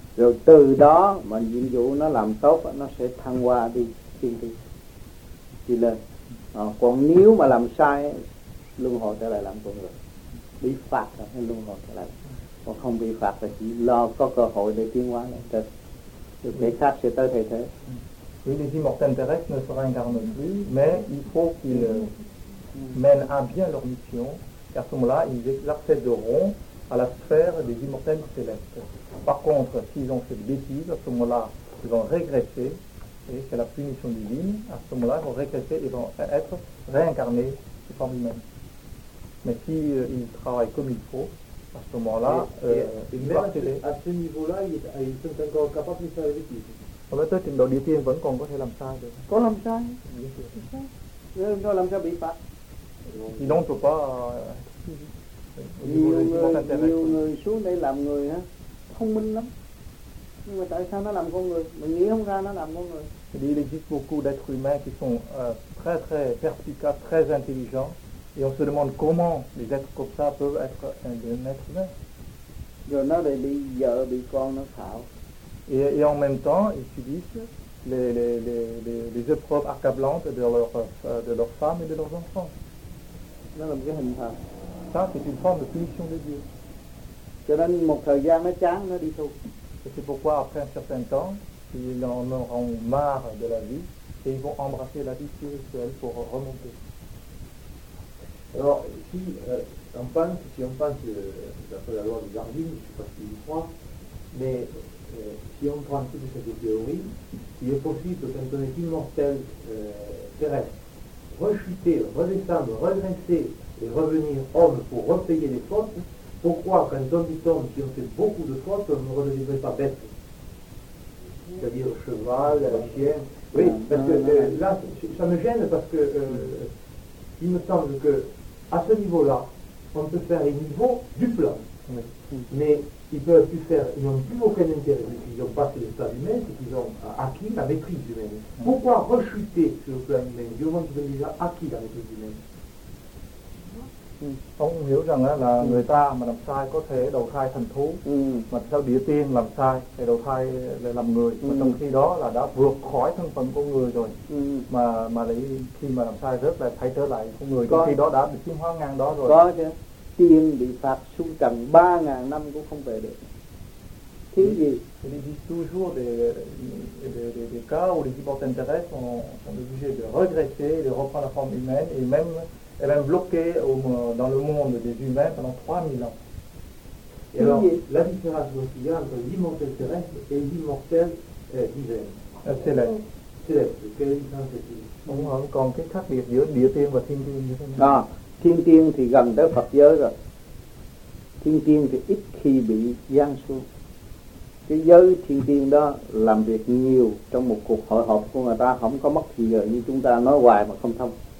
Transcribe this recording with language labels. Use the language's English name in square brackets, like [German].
[Vietnamese] Rồi từ đó mà nhiệm vụ nó làm tốt nó sẽ thăng hoa đi thiên đi đi lên còn nếu mà làm sai luân hồi trở lại làm con người bị phạt rồi luân hồi trở lại còn không bị phạt là chỉ lo có cơ hội để tiến hóa lên trên được thể khác sẽ tới thay thế. [French] Oui, les immortels terrestres ne se réincarnent plus, mais il faut qu'ils mènent à bien leur mission, et à ce moment-là ils accéderont à la sphère des immortels célestes. Par contre, s'ils ont fait des bêtises, à ce moment-là, ils vont régresser, et c'est la punition divine, à ce moment-là, ils vont régresser, ils vont être réincarnés sous forme humaine. Mais s'ils travaillent comme il faut, à ce moment-là, ils vont accéder. À ce niveau-là, ils sont encore capables de faire des bêtises. Peut-être qu'ils peuvent encore faire des bêtises. Ils ne peuvent pas. [Vietnamese] Nhiều người xuống đây làm người ha, thông minh lắm. Nhưng mà tại sao nó làm con người? Mình nghĩ không ra nó làm con người. [French] Il existe beaucoup d'êtres humains qui sont très très perspicaces, très intelligents, et on se demande comment les êtres comme ça peuvent être un être humain. [Vietnamese] Rồi nó lại bị vợ bị con nó khảo. [French] Et en même temps, ils subissent les épreuves accablantes de leur femme et de leurs enfants. [Vietnamese] Nó là một cái hình phạt. [French] Ça, c'est une forme de punition de Dieu. [Vietnamese] Cho nên một thời gian nó chán, nó đi tu. [French] Et c'est pourquoi après un certain temps, ils en auront marre de la vie et ils vont embrasser la vie spirituelle pour remonter. Alors, si, on pense, d'après la loi du Darwin, je ne sais pas ce qu'il y croit, mais si on prend toute cette théorie, il est possible, quand on est immortel, terrestre, rechuter, redescendre, regresser et revenir homme pour repayer les fautes, pourquoi, quand on dit homme, si on fait beaucoup de fautes, on ne redeviendrait pas bête? C'est-à-dire cheval, chien. Oui, parce que là, ça me gêne parce que. Il me semble que à ce niveau-là, on peut faire un niveau du plan. Oui. Mais ils ne peuvent plus faire, ils n'ont plus aucun intérêt, vu qu'ils ont passé l'état humain, c'est qu'ils ont acquis la maîtrise humaine. Oui. Pourquoi rechuter sur le plan humain, du moment qu'ils ont déjà acquis la maîtrise humaine? [Vietnamese] Ông hiểu rằng là người ta mà làm sai có thể đầu thai thành thú, mà sao địa tiên làm sai thì đầu thai lại làm người, mà trong khi đó là đã vượt khỏi thân phận con người rồi, mà lại khi mà làm sai rất là thay trở lại con người, trong khi đó đã bị tiến hóa ngang đó rồi. Có chứ, tiên bị phạt xuống trần 3.000 năm cũng không về được. Thứ gì? [French] Il existe toujours des cas où les hypothèses intéressent sont obligés de regresser, de reprendre la forme humaine et même est même bloqué dans le monde des humains pendant 3000 ans. Et alors, oui. La différence qu'il y a entre l'immortel terrestre et l'immortel divin. Céleste. Céleste. Quelle différence est-il? Bon, oui. [Vietnamese] Còn cái khác biệt giữa địa tiên và thiên tiên như thế nào? Thiên tiên thì gần tới Phật giới rồi. Thiên tiên thì ít khi bị giáng xuống. Cái giới thiên tiên đó làm việc nhiều trong một cuộc hội họp của người ta, không có mất thì giờ như chúng ta nói hoài mà không thông.